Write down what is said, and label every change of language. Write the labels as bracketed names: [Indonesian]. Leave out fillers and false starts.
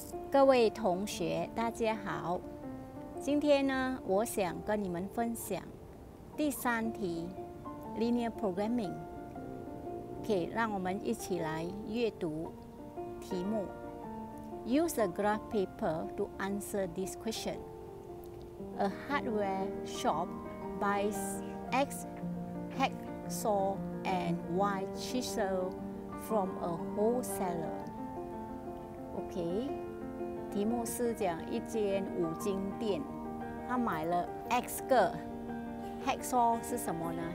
[Chinese] 各位同学大家好，今天呢我想跟你们分享第三题 Linear Programming， 可以让我们一起来阅读题目。 [English] Use a graph paper to answer this question. A hardware shop buys X hacksaw and Y chisel from a wholesaler. [Chinese] OK，题目是讲一间五金店，他买了 X 个 hacksaw 是什么呢？